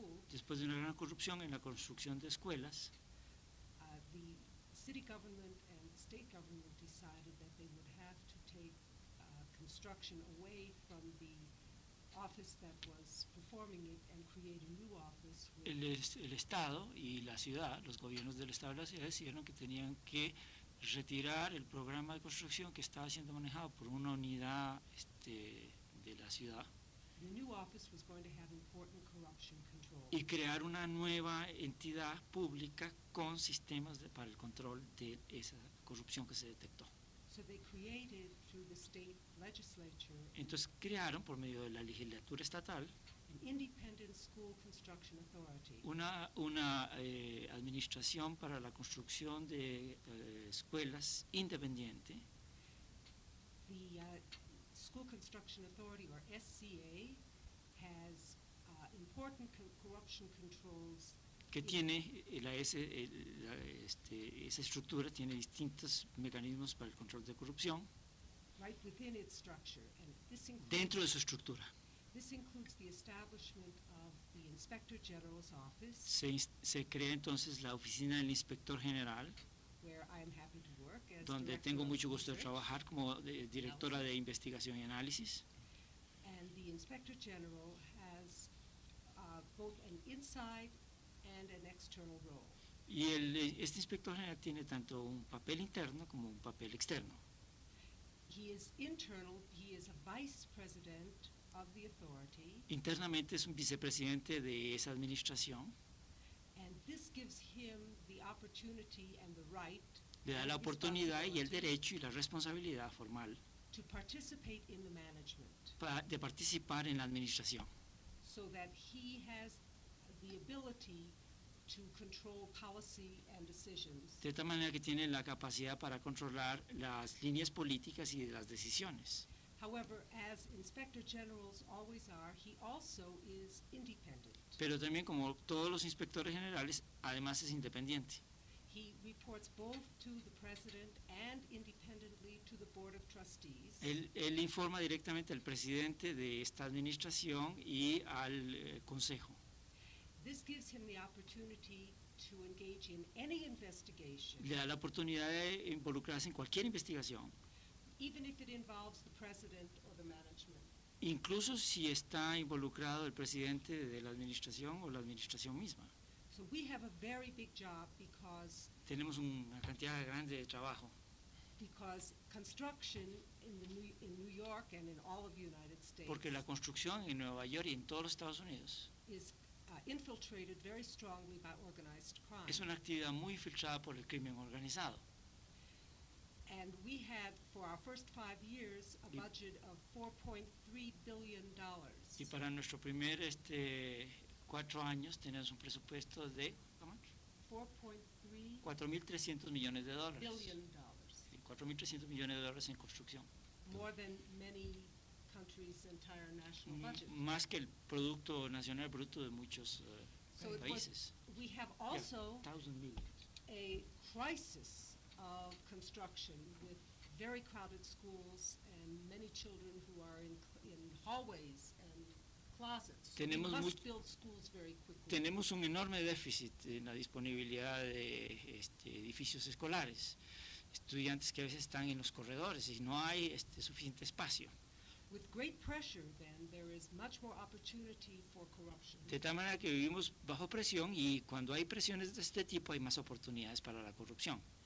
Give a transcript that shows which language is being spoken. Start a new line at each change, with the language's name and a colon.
Spanish: después de una gran corrupción en la construcción de escuelas,
English: the city government and state government decided that they would have to take construction away from the office that was performing it and create a new office.
Spanish: El Estado y la ciudad, los gobiernos del Estado y la ciudad, decidieron que tenían que retirar el programa de construcción que estaba siendo manejado por una unidad de la ciudad.
English: The new office was going to have important corruption control.
Spanish: Y crear una nueva entidad pública con sistemas para el control de esa corrupción que se detectó.
English: So they created through the state legislature,
Spanish: entonces crearon por medio de la legislatura estatal
English: an independent school construction authority.
Spanish: una administración para la construcción de escuelas independiente.
English: The school construction authority, or SCA, has important corruption controls.
Spanish: Que tiene esa estructura tiene distintos mecanismos para el control de corrupción
English: right within its structure, and this includes,
Spanish: dentro de su estructura.
English: This includes the establishment of the the Inspector General's office.
Spanish: Se crea entonces la oficina del Inspector General,
English: where I am happy to work as
Spanish: donde tengo mucho gusto de trabajar como directora de investigación y análisis.
English: And the Inspector General has both an inside and an external role.
Spanish: Y este inspector general tiene tanto un papel interno como un papel externo.
English: He is internal, he is a vice president of the authority.
Spanish: Internamente es un vicepresidente de esa administración.
English: And this gives him the opportunity and the right.
Spanish: Le da la oportunidad y el derecho y la responsabilidad formal.
English: To participate in the management.
Spanish: De participar en la administración.
English: So that he has the ability to control policy and decisions.
Spanish: De tal manera que tiene la capacidad para controlar las líneas políticas y las decisiones.
English: However, as inspector generals always are, he also is independent.
Spanish: Pero también como todos los inspectores generales, además es independiente.
English: He reports both to the president and independently to the board of trustees.
Spanish: Él informa directamente al presidente de esta administración y al consejo.
English: This gives him the opportunity to engage in any investigation.
Spanish: Le da la oportunidad de involucrarse en cualquier investigación.
English: Even if it involves the president or the management.
Spanish: Incluso si está involucrado el presidente de la administración o la administración misma.
English: So we have a very big job because
Spanish: tenemos una cantidad grande de trabajo.
English: Because construction in New York and in all of the United States.
Spanish: Porque la construcción en Nueva York y en todos los Estados Unidos.
English: Infiltrated very strongly by organized crime.
Spanish: Es una actividad muy filtrada por el crimen organizado.
English: And we had for our first 5 years a budget of $4.3 billion.
Spanish: Y para nuestro primer 4 años tenemos un presupuesto de $4.3 billion. $4.300 millones en construcción.
English: More than many country's entire national budget.
Spanish: Más que el producto nacional bruto de muchos países.
English: We have also a crisis of construction with very crowded schools and many children who are in hallways and closets. So
Spanish: tenemos
English: we must build schools very quickly.
Spanish: Tenemos un enorme déficit en la disponibilidad de edificios escolares. Estudiantes que a veces están en los corredores y no hay suficiente espacio.
English: With great pressure, then, there is much more opportunity for corruption.
Spanish: De tal manera que vivimos bajo presión y cuando hay presiones de este tipo hay más oportunidades para la corrupción.